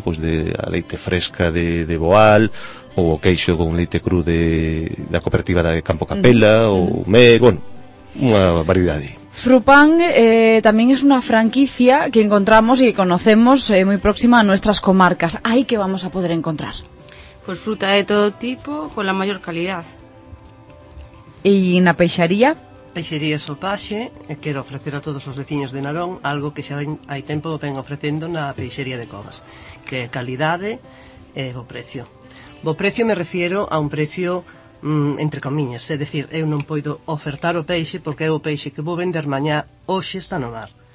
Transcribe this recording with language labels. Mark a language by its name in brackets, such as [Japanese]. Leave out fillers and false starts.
[Galician] Pues de a leite fresca de Boal ou o queixo con leite cru da cooperativa de Campo Capela ou Mer, bueno, unha variedade. Frupán tamén es unha franquicia que encontramos e conocemos moi próxima [Spanish] a nuestras comarcas. [Galician] Aí que vamos a poder encontrar? [Spanish] Pues fruta de todo tipo, con la mayor calidad. [Galician] E na peixaría? Peixaría Sopaxe, quero ofrecer a todos os veciños de Narón algo que xa hai tempo ven ofrecendo na peixaría de Covas, que é calidade e bo precio. Bo precio [Spanish] me refiero a un precio [Galician] entre comiñas, é dicir, eu non podo ofertar o peixe porque é o peixe que vou vender mañá, hoxe está no mar.